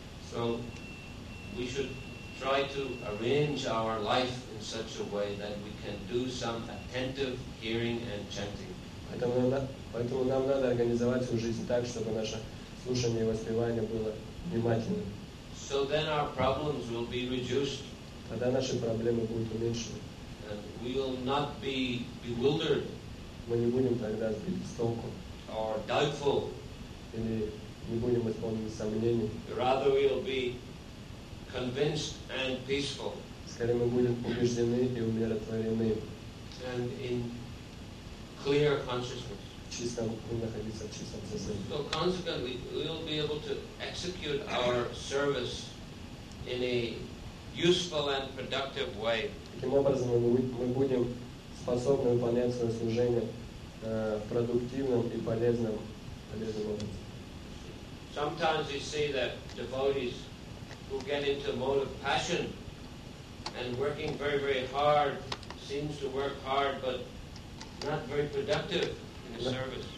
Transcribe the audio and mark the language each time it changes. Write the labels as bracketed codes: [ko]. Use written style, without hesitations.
[en] So we should try to arrange our life in such a way that we can do some attentive hearing and chanting. [ru] Поэтому нам надо организовать свою жизнь так, чтобы наше слушание и воспевание было внимательным. [en] So then our problems will be reduced. [ru] Тогда наши проблемы будут уменьшены. [en] And we will not be bewildered. [ru] Мы не будем тогда сбиты с толку. [en] Or doubtful. [ru] Или не будем исполнены сомнений. [en] Rather we will be convinced and peaceful. [ru] Скорее мы будем убеждены и умиротворены. [en] And in clear consciousness. [ru] Чистом, мы находимся в чистом сознании. [en] So consequently, we will be able to execute our service in a useful and productive way. [ru] Таким образом, мы будем способны выполнять свое служение в продуктивном и полезном образом. [en] Sometimes you see that devotees who get into a mode of passion and working very, very hard, seems to work hard, but not very productive in the service.